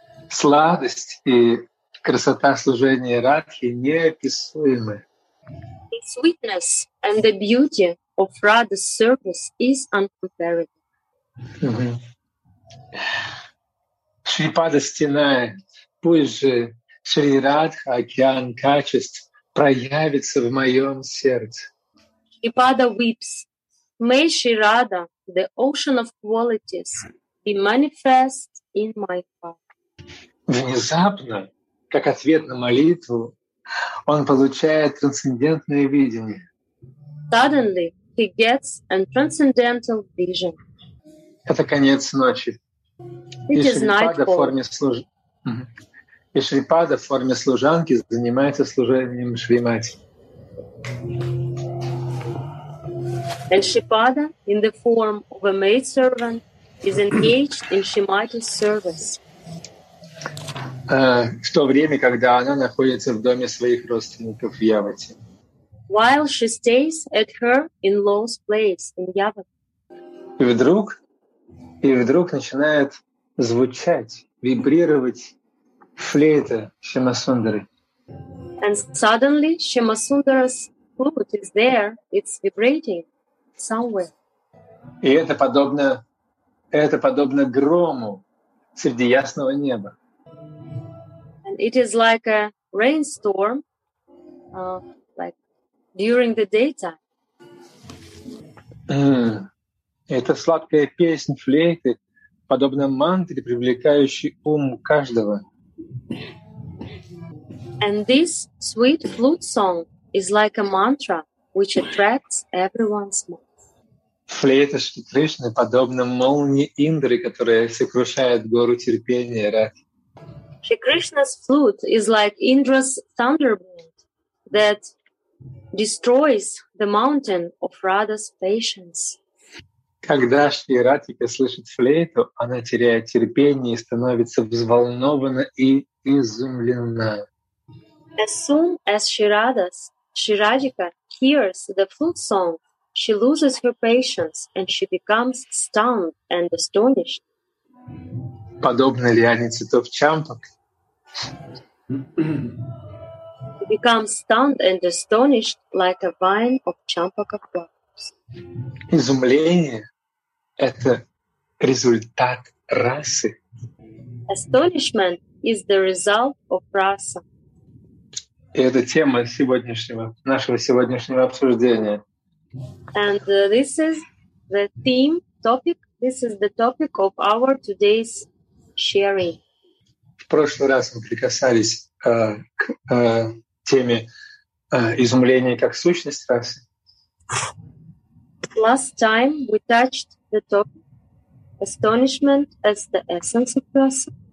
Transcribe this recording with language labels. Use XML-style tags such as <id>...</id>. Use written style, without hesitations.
<ru>Сладость и красота служения Радхи неописуемы.</ru> <en>The sweetness and the beauty of Radha's service is incomparable.</en> <ru>Шрипада стенает, пусть же Шри Радха, океан качеств, проявится в моем сердце.</ru> <en>Шрипада weeps. May Shri Radha, the ocean of qualities, be manifest in my heart.</en> <ru>Внезапно, как ответ на молитву, он получает трансцендентное видение.</ru> <en>Suddenly, he gets a transcendental vision.</en> <ru>Это конец ночи. И Шрипада в форме служанки занимается служением Шримати.</ru> <en>And Шрипада in the form of a maid servant is engaged in Shrimati's service.</en> <ru>В то время, когда она находится в доме своих родственников в Явате.</ru> <en>While she stays at her in-law's place in Yavat.</en> <ru>И вдруг начинает звучать, вибрировать флейта Шимасундары.</ru> <en>And suddenly Shimasundara's flute is there, it's vibrating somewhere.</en> <ru>И это подобно грому среди ясного неба.</ru> <en>And it is like a rainstorm, like during the daytime.</en> <ru>Это сладкая песня флейты, подобно мантре, привлекающей ум каждого.</ru> <en>And this sweet flute song is like a mantra which attracts everyone's mind.</en> <ru>Флейта Шри Кришны подобна молнии Индры, которая сокрушает гору терпения и рад.</ru> <en>Shri Krishna's flute is like Indra's thunderbolt that destroys the mountain of Radha's patience.</en> <ru>Когда Шри Радхика слышит флейту, она теряет терпение и становится взволнована и изумлена.</ru> <en>As soon as Shri Radhika hears the flute song, she loses her patience and she becomes stunned and astonished.</en> <ru>Подобно ли они цветов чампок?</ru> <en>She becomes stunned and astonished like a vine of champaka flowers.</en> <ru>Изумление — это результат расы.</ru> <en>Astonishment is the result of rasa.</en> <ru>И это тема сегодняшнего, нашего сегодняшнего обсуждения.</ru> <en>And this is the theme topic. This is the topic of our today's sharing.</en> <ru>В прошлый раз мы прикасались к теме изумления как сущность расы.</ru> <en>Last time we touched the topic astonishment as the essence of rasa.</en>